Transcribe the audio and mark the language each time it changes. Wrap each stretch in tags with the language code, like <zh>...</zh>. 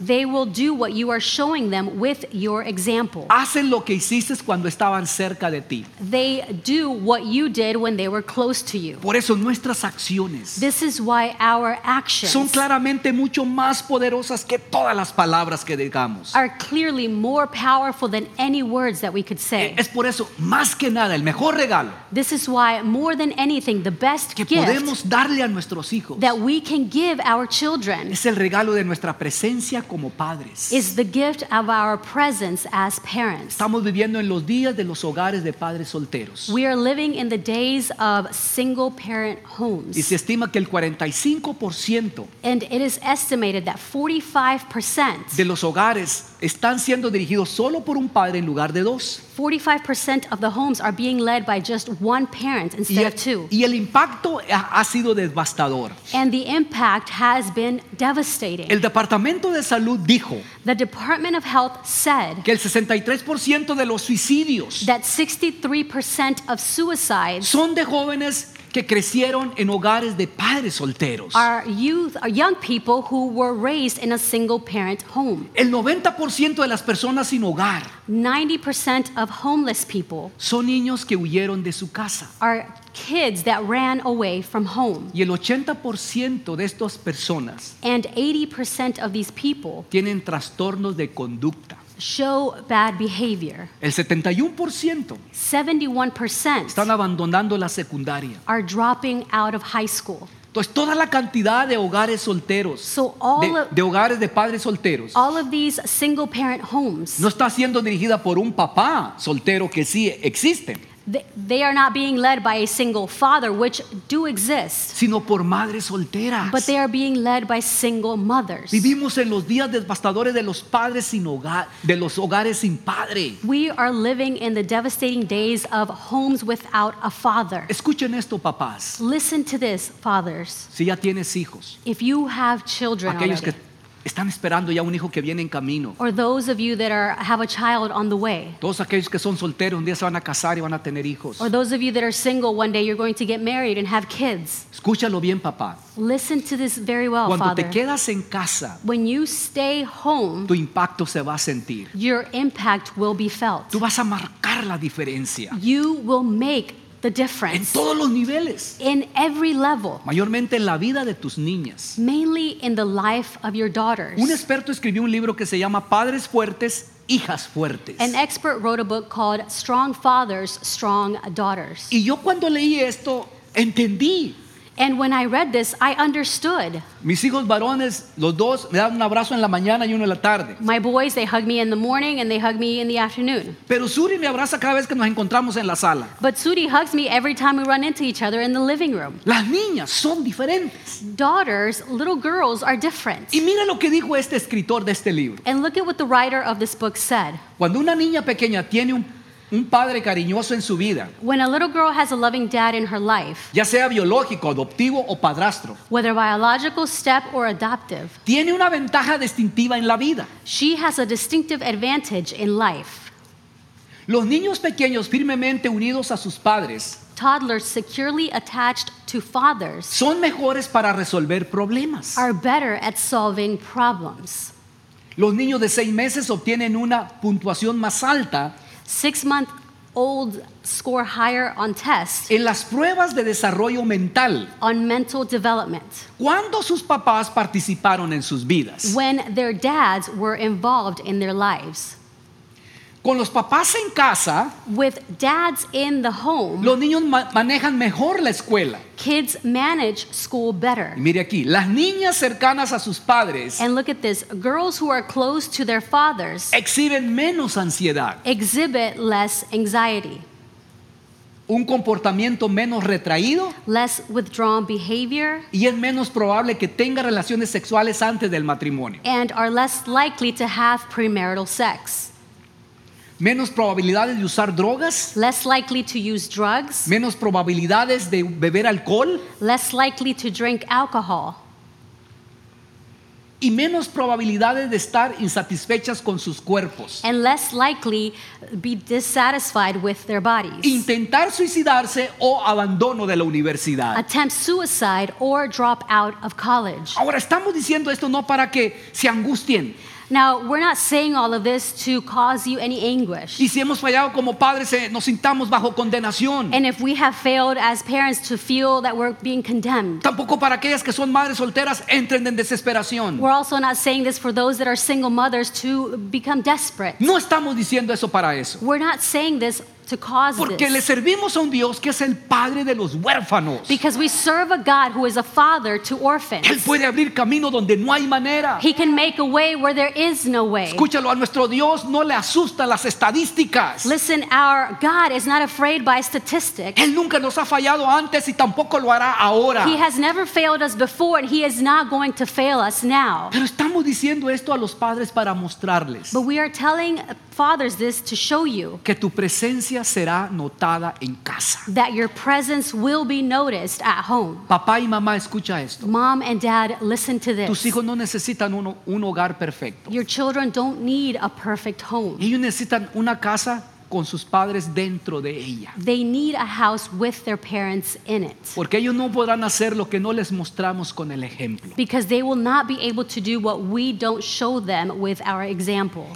<en>They will do what you are showing them with your example.</en> <es>Hacen lo que hiciste cuando estaban cerca de ti.</es> <en>They do what you did when they were close to you.</en> <es>Por eso nuestras acciones,</es> <en>this is why our actions,</en> <es>son claramente mucho más poderosas que todas las palabras que digamos.</es> <en>Are clearly more powerful than any words that we could say.</en> <es>Es por eso más que nada el mejor regalo.</es> <en>This is why more than anything the best</en> <es>que podemos darle a nuestros hijos.</es> <en>That we can give our children.</en> <es>Es el regalo de nuestra presencia como padres.</es> <en>Is the gift of our presence as parents.</en> <es>Estamos viviendo en los días de los hogares de padres solteros.</es> <en>We are living in the days of single parent homes.</en> <es>Y se estima que el 45%.</es> <en>And it is estimated that 45%</en> <es>de los hogares están siendo dirigidos solo por un padre en lugar de dos.</es> <en>45% of the homes are being led by just one parent instead of two.</en> <es>Y el impacto ha sido devastador.</es> <en>And the impact has been devastating.</en> <es>El Departamento de Salud dijo.</es> <en>The Department of Health said.</en> <es>Que el 63% de los suicidios.</es> <en>That 63% of suicides.</en> <es>Son de jóvenes que crecieron en hogares de padres solteros.</es> <en>Are youth, are young people who were raised in a single parent home.</en> <es>El 90% de las personas sin hogar.</es> <en>90% of homeless people.</en> <es>Son niños que huyeron de su casa.</es> <en>Are kids that ran away from home.</en> <es>Y el 80% de estas personas.</es> <en>And 80% of these people.</en> <es>Tienen trastornos de conducta.</es> <en>Show bad behavior.</en> <es>El 71%.</es> <en>71%.</en> <es>Están abandonando la secundaria.</es> <en>Are dropping out of high school.</en> <es>Entonces toda la cantidad de hogares solteros.</es> <en>So all</en> <es>de hogares de padres solteros.</es> <en>All of these single parent homes.</en> <es>No está siendo dirigida por un papá soltero que sí existe.</es> <en>They are not being led by a single father, which do exist.</en> <es>Sino por madres solteras.</es> <en>But they are being led by single mothers.</en> <es>Vivimos en los días devastadores de los padres sin hogar, de los hogares sin padre.</es> <en>We are living in the devastating days of homes without a father.</en> <es>Escuchen esto, papás.</es> <en>Listen to this, fathers.</en> <es>Si ya tienes hijos.</es> <en>If you have children</en> <es>aquellos</es> <en>already.</en> <es>Que Están esperando ya un hijo que viene en camino.</es> <en>Or those of you that have a child on the way.</en> <es>Todos aquellos que son solteros un día se van a casar y van a tener hijos.</es> <en>Or those of you that are single, one day you're going to get married and have kids.</en> <es>Escúchalo bien, papá.</es> <en>Listen to this very well,</en> <es>Cuando</es> <en>Father.</en> <es>Cuando te quedas en casa,</es> <en>when you stay home,</en> <es>tu impacto se va a sentir.</es> <en>Your impact will be felt.</en> <es>Tú vas a marcar la diferencia.</es> <en>You will make the difference.</en> <es>En todos los niveles.</es> <en>In every level.</en> <es>Mayormente en la vida de tus niñas.</es> <en>Mainly in the life of your daughters.</en> <es>Un experto escribió un libro que se llama Padres Fuertes, Hijas Fuertes.</es> <en>An expert wrote a book called Strong Fathers, Strong Daughters.</en> <es>Y yo cuando leí esto, entendí.</es> <en>And when I read this, I understood.</en> <es>Mis hijos varones, los dos, me dan un abrazo en la mañana y uno en la tarde.</es> <en>My boys, they hug me in the morning and they hug me in the afternoon.</en> <es>Pero Suri me abraza cada vez que nos encontramos en la sala.</es> <en>But Suri hugs me every time we run into each other in the living room.</en> <es>Las niñas son diferentes.</es> <en>Daughters, little girls are different.</en> <es>Y mira lo que dijo este escritor de este libro.</es> <en>And look at what the writer of this book said.</en> <es>Cuando una niña pequeña tiene un padre cariñoso en su vida.</es> <en>When a little girl has a loving dad in her life.</en> <es>Ya sea biológico, adoptivo o padrastro.</es> <en>Whether biological, step or adoptive.</en> <es>Tiene una ventaja distintiva en la vida.</es> <en>She has a distinctive advantage in life.</en> <es>Los niños pequeños firmemente unidos a sus padres.</es> <en>Toddlers securely attached to fathers.</en> <es>Son mejores para resolver problemas.</es> <en>Are better at solving problems.</en> <es>Los niños de 6 meses obtienen una puntuación más alta.</es> <en>6-month-old score higher on tests.</en> <es>En las pruebas de desarrollo mental.</es> <en>On mental development.</en> <es>¿Cuándo sus papás participaron en sus vidas?</es> <en>When their dads were involved in their lives.</en> <es>Con los papás en casa.</es> <en>With dads in the home.</en> <es>Los niños manejan mejor la escuela.</es> <en>Kids manage school better.</en> <es>Y mire aquí, las niñas cercanas a sus padres.</es> <en>And look at this, girls who are close to their fathers.</en> <es>Exhiben menos ansiedad.</es> <en>Exhibit less anxiety.</en> <es>Un comportamiento menos retraído.</es> <en>Less withdrawn behavior.</en> <es>Y es menos probable que tenga relaciones sexuales antes del matrimonio.</es> <en>And are less likely to have premarital sex.</en> <es>Menos probabilidades de usar drogas.</es> <en>Less likely to use drugs.</en> <es>Menos probabilidades de beber alcohol.</es> <en>Less likely to drink alcohol.</en> <es>Y menos probabilidades de estar insatisfechas con sus cuerpos.</es> <en>And less likely be dissatisfied with their bodies.</en> <es>Intentar suicidarse o abandono de la universidad.</es> <en>Attempt suicide or drop out of college.</en> <es>Ahora estamos diciendo esto no para que se angustien.</es> <en>Now, we're not saying all of this to cause you any anguish.</en> <es>Y si hemos fallado como padres, nos sintamos bajo condenación.</es> <en>And if we have failed as parents to feel that we're being condemned.</en> <es>Tampoco para aquellas que son madres solteras, entren en desesperación.</es> <en>We're also not saying this for those that are single mothers to become desperate.</en> <es>No estamos diciendo eso para eso.</es> <en>We're not saying this to cause</en> <es>Porque</es> <en>this.</en> <es>Le servimos a un Dios que es el padre de los huérfanos.</es> <en>Because we serve a God who is a father to orphans.</en> <es>Él puede abrir camino donde no hay manera.</es> <en>He can make a way where there is no way.</en> <es>Escúchalo, a nuestro Dios no le asustan las estadísticas.</es> <en>Listen, our God is not afraid by statistics.</en> <es>Él nunca nos ha fallado antes y tampoco lo hará ahora.</es> <en>He has never failed us before and he is not going to fail us now.</en> <es>Pero estamos diciendo esto a los padres para mostrarles.</es> <en>But we are telling fathers this to show you.</en> <es>Que tu presencia será notada en casa.</es> <en>That your presence will be noticed at home.</en> <es>Papá y mamá, escucha esto.</es> <en>Mom and dad, listen to this.</en> <es>Tus hijos no necesitan un hogar perfecto.</es> <en>Your children don't need a perfect home.</en> <es>Ellos necesitan una casa con sus padres dentro de ella.</es> <en>They need a house with their parents in it.</en> <es>Porque ellos no podrán hacer lo que no les mostramos con el ejemplo.</es> <en>Because they will not be able to do what we don't show them with our example.</en>